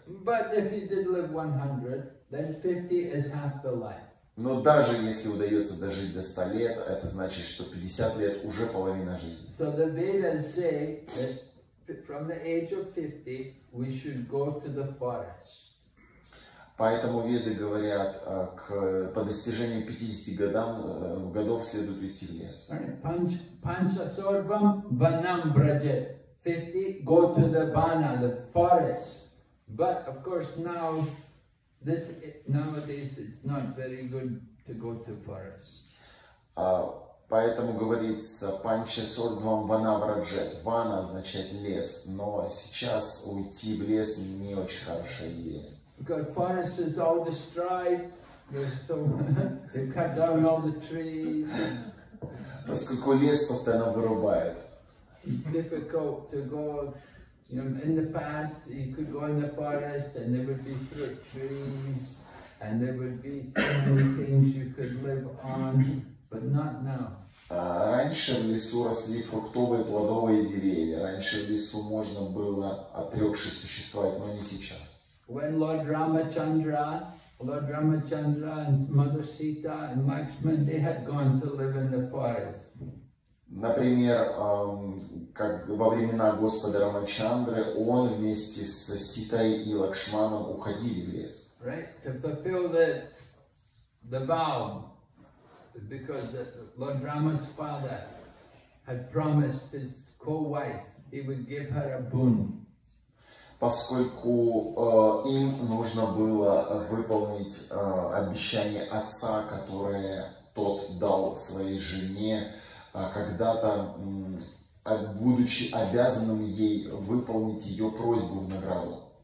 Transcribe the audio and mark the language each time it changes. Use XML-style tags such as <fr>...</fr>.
<en>But if you did live 100, then 50 is half the life.</en> <ru>Но даже если удается дожить до 100 лет, это значит, что 50 лет уже половина жизни.</ru> <en>So the Vedas say that from the age of 50 we should go to the forest.</en> <ru>Поэтому веды говорят, по достижению 50 годов следует уйти в лес.</ru> <sa>Pancha sorvam vanam brajet.</sa> <en>50, go to the vana, the forest. But of course now, this nowadays it's not very good to go to forest.</en> <ru>Поэтому говорится,</ru> <sa>Pancha sorvam vanam brajet.</sa> <ru>Vana означает лес, но сейчас уйти в лес не очень хорошая идея.</ru> <en>Because forest is all destroyed, so they cut down all the trees.</en> <ru>Поскольку лес постоянно вырубает.</ru> <en>Difficult to go, you know, in the past you could go in the forest and there would be fruit trees and there would be things you could live on, but not now.</en> <ru>Раньше в лесу росли фруктовые плодовые деревья. Раньше в лесу можно было отрекшись существовать, но не сейчас.</ru> <en>When Lord Ramachandra and Mother Sita and Lakshman, they had gone to live in the forest.</en> <ru>Например, как во времена Господа Рамачандры, он вместе с Ситой и Лакшманом уходили в лес.</ru> <en>Right? To fulfill the vow, because Lord Rama's father had promised his co-wife he would give her a boon.</en> <ru>Поскольку им нужно было выполнить обещание отца, которое тот дал своей жене, когда-то, будучи обязанным ей выполнить ее просьбу в награду.</ru>